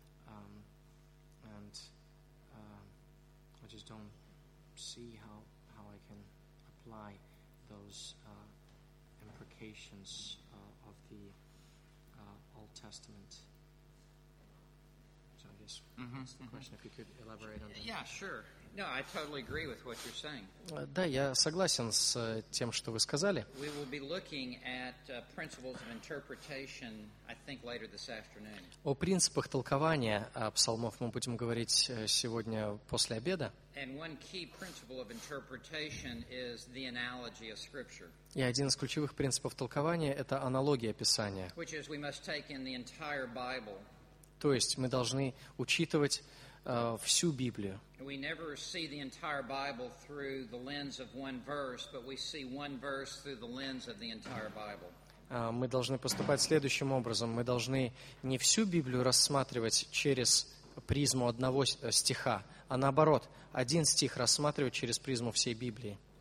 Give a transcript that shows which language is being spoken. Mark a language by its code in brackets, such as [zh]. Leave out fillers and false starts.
[en] I just don't see how I can apply those imprecations of the Old Testament. So I guess that's the question, if you could elaborate on that. Yeah, sure. No, I totally agree with what you're saying. [ru] Да, я согласен с тем, что вы сказали. [en] We will be looking at principles of interpretation, I think, later this afternoon. [ru] О принципах толкования псалмов мы будем говорить сегодня после обеда. [en] And one key principle of interpretation is the analogy of Scripture. [ru] И один из ключевых принципов толкования – это аналогия Писания. [en] Which is we must take in the entire Bible. [ru] То есть мы должны учитывать всю Библию. [en] We never see the entire Bible through the lens of one verse, but we see one verse through the lens of the entire Bible. [ru] Мы должны поступать следующим образом. Мы должны не всю Библию рассматривать через призму одного стиха, а наоборот, один стих рассматривать через призму всей Библии.